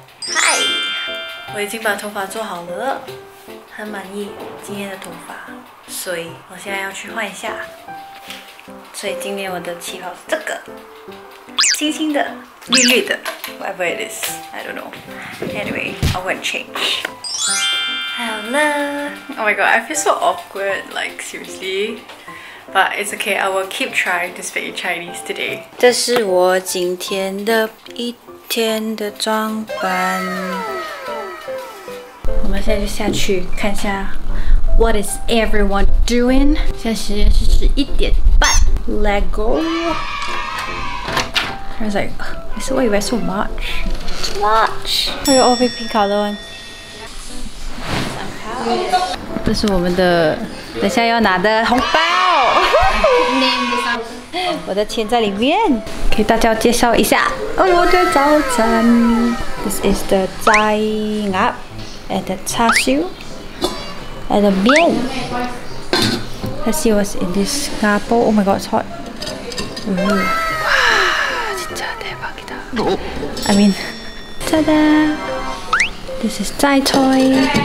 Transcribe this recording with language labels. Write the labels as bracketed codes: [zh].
[zh] 嗨，我已经把头发做好了，很满意今天的头发，所以我现在要去换一下。所以今天我的旗袍是这个，轻轻的，绿绿的 ， whatever it is， I don't know。 [en] Anyway， I'll go and change。 Hello， oh my god， I feel so awkward， like seriously， but it's okay， I will keep trying to speak Chinese today。 [zh] 这是我今天的一天的装扮。我们现在就下去看一下 ， What is everyone doing？现在时间是11:30 [en] ，Let go。 I was like，你是为什么 so much？ Too much。 [zh] 还有 OVP 卡的问题。这是我们的，等下要拿的红包。我的钱在里面。给大家介绍一下，我的早餐。 [en] This is the 斋鸭。 And the char siu and the bian. Let's see what's in this nga po. Oh my god, it's hot. Wow, I mean, ta-da! This is zai toy.